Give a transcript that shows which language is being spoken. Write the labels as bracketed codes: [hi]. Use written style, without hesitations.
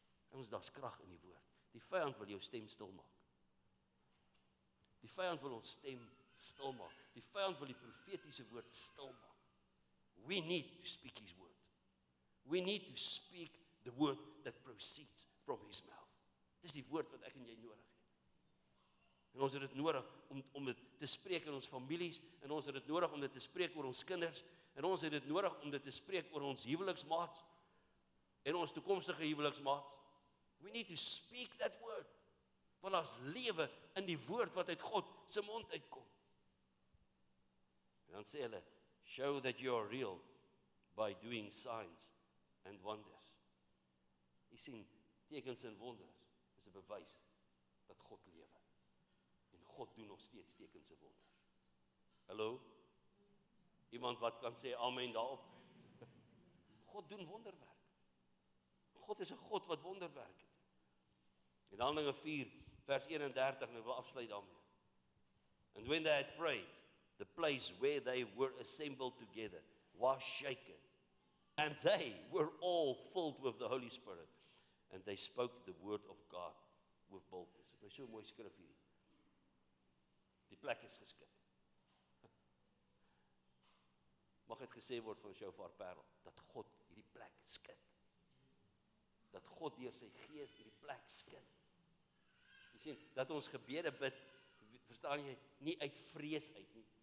[af] En ons, daar's krag in die woord. Die vyand wil jou stem stil maak. Die vyand wil ons stem stil maak. Die vyand wil die profetiese woord stil maak. [en] We need to speak His word. We need to speak the word that proceeds from His mouth. [af] Dis die woord wat ek en jy nodig het. En ons het dit nodig om dit te spreek in ons families, en ons het dit nodig om dit te spreek oor ons kinders, en ons het dit nodig om dit te spreek oor ons huweliksmaats, en ons toekomstige huweliksmaats. [en] We need to speak that word. [af] Want daar's lewe in die woord wat uit God se mond uitkom. En dan sê hulle, [en] Show that you are real by doing signs and wonders. [af] Jy sien, tekens en wonders is 'n bewys dat God lewe. En God doen nog steeds tekens en wonders. Hallo? Iemand wat kan sê amen daarop? God doen wonderwerk. God is 'n God wat wonderwerk doen. En Handelinge 4 vers 31, en ek wil afsluit daarmee. [en] And when they had prayed, the place where they were assembled together was shaken. And they were all filled with the Holy Spirit. And they spoke the word of God with boldness. [af] Dit is so mooi skrif hierdie. Die plek is geskud. Mag het gesê word van Shofar Perl, dat God hierdie plek skud. Dat God deur sy gees hierdie plek skud. Jy sien, dat ons gebede bid, verstaan jy, nie uit vrees uit nie.